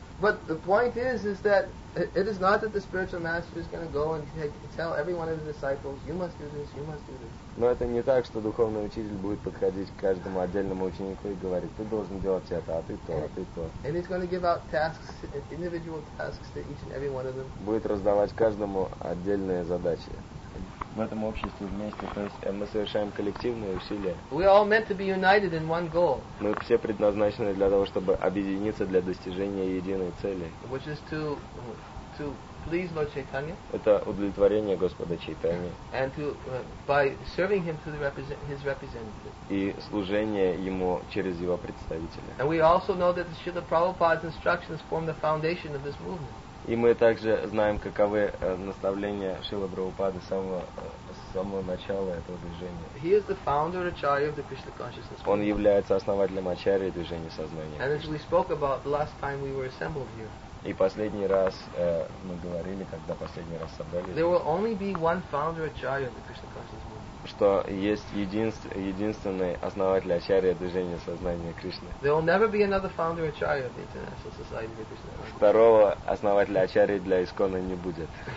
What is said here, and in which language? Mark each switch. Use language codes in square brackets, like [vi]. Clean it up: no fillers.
[en] But the point is that it is not that the spiritual master is going to go and tell every one of his disciples, you must do this, you must do this. [ru] Но это не так, что духовный учитель будет подходить к каждому отдельному ученику и говорить, ты должен делать это, а ты то, а ты то. [en] And he's going to give out tasks, individual tasks to each and every one of them. [ru] Будет раздавать каждому отдельные задачи. В этом обществе вместе, то есть мы совершаем коллективные усилия. [en] We are all meant to be united in one goal. [ru] Мы все предназначены для того, чтобы объединиться для достижения единой цели. [en] Which is to please Lord Chaitanya. [ru] Это удовлетворение Господа Чайтаньи. [en] And to by serving him through his representative. [ru] И служение ему через его представителя. [en] And we also know that the Srila Prabhupada's instructions form the foundation of this movement. [ru] И мы также знаем, каковы наставления Шрилы Прабхупады с самого начала этого движения. [en] He is the founder and acharya of the Krishna consciousness. [ru] Он является основателем ачарьи движения сознания. [en] And as we spoke about the last time we were assembled here. [ru] И последний раз мы говорили, когда последний раз собрались. [en] There will only be one founder and acharya of the Krishna consciousness. [ru] Что есть единственный основатель ачарьи движения сознания Кришны. [en] There will never be another founder or acharya of the International Society of Krishna. [ru] Второго основателя ачарьи для ИСККОНа не будет.